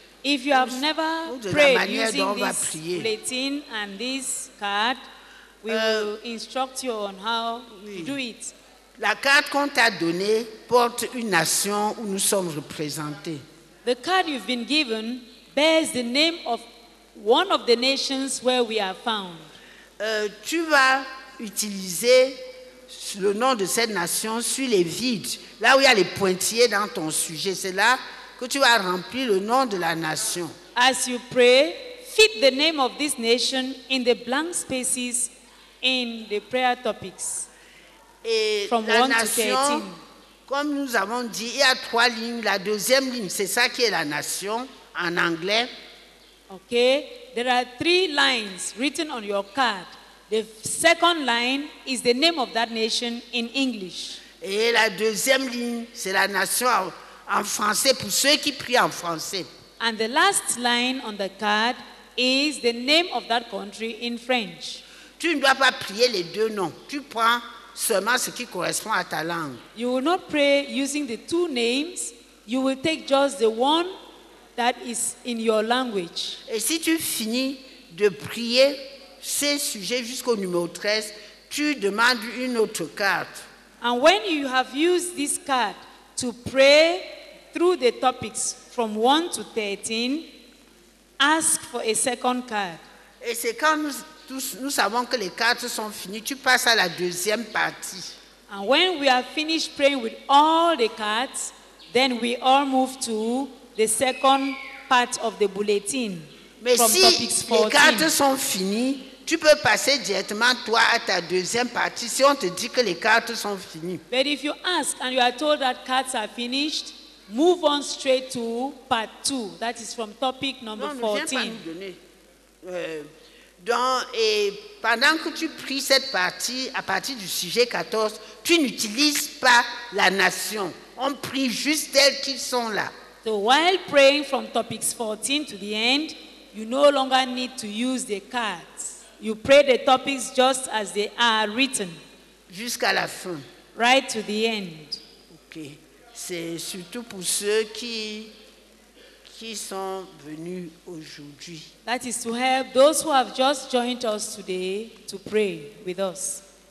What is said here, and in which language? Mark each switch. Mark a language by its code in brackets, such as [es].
[en] If you have never prayed using this bulletin and this card, we will instruct you on how to do it. [fr] La carte qu'on t'a donnée porte une nation où nous sommes représentés. [en] The card you've been given bears the name of one of the nations where we are found. [fr] Tu vas utiliser le nom de cette nation sur les vides, là où il y a les pointillés dans ton sujet. C'est là que tu vas remplir le nom de la nation. [en] As you pray, fit the name of this nation in the blank spaces in the prayer topics. [fr] Et [en] from [fr] la 1 nation, [en] to 13. [fr] Comme nous avons dit, il y a trois lignes. La deuxième ligne, c'est ça qui est la nation en anglais. [en] Okay, there are three lines written on your card. The second line is the name of that nation in English. [fr] Et la deuxième ligne, c'est la nation en français pour ceux qui prient en français. [en] And the last line on the card is the name of that country in French. [fr] Tu ne dois pas prier les deux noms. Tu prends seulement ce qui correspond à ta langue. [en] You will not pray using the two names. You will take just the one that is in your language. [fr] Et si tu finis de prier ces sujets jusqu'au numéro 13, tu demandes une autre carte. [en] And when you have used this card to pray through the topics from 1 to 13, ask for a second card. [fr] Et c'est quand nous savons que les cartes sont finies, tu passes à la deuxième partie. [en] And when we are finished praying with all the cards, then we all move to the second part of the bulletin. Mais from si topics 14. [fr] Les cartes sont finies, tu peux passer directement toi à ta deuxième partie si on te dit que les cartes sont finies. [en] But if you ask and you are told that cards are finished, move on straight to part 2. That is from topic number 14. [fr] Non, je ne viens pas nous donner. Et pendant que tu pries cette partie, à partir du sujet 14, tu n'utilises pas la nation. On prie juste tels qu'ils sont là. [en] So while praying from topics 14 to the end, you no longer need to use the cards. You pray the topics just as they are written. [fr] Jusqu'à la fin. [en] Right to the end. Ok. [fr] C'est surtout pour ceux qui sont venus aujourd'hui. [en] That is to help those who have just joined us today to pray with us.